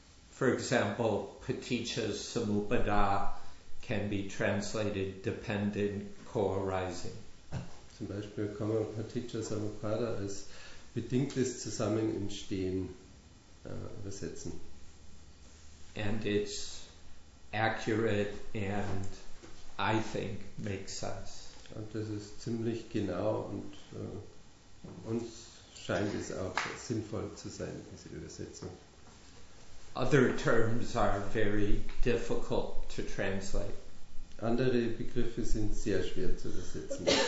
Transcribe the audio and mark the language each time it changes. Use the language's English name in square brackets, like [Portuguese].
[English] For example, Paticca Samuppada can be translated dependent co-arising. [German] Zum Beispiel kann man Paticca Samuppada als bedingtes Zusammenentstehen übersetzen. [English] And it's accurate and I think makes sense. [German] Und das ist ziemlich genau und uns scheint es auch sinnvoll zu sein, diese Übersetzung. [English] Other terms are very difficult to translate. [German] Andere Begriffe sind sehr schwer zu übersetzen.